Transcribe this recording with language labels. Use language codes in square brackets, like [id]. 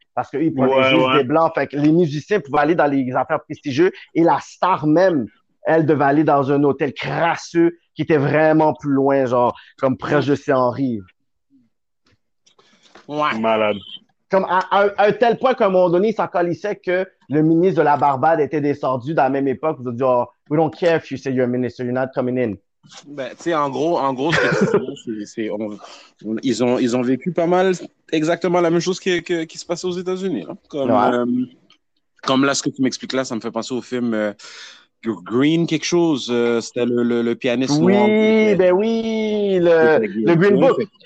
[fr] Parce qu'eux, ils pouvaient juste des blancs. Fait que les musiciens pouvaient aller dans les affaires prestigieuses. Et la star même, elle devait aller dans un hôtel crasseux qui était vraiment plus loin, genre, comme proche de Saint-Henri. Ouais. Malade. Comme à un tel point qu'à un moment donné, il s'en calissait que le ministre de la Barbade était descendu dans la même époque. Vous avez dit, [en] oh, we don't care if you say you're a minister, you're not coming in. [fr] Ben, tu sais, en gros, ce que c'est ils ont vécu pas mal exactement la même chose qui se passait aux États-Unis. Hein. Comme là, ce que tu m'expliques là, ça me fait penser au film. Green quelque chose, c'était le pianiste. Oui, noir. Ben oui, le Green Book.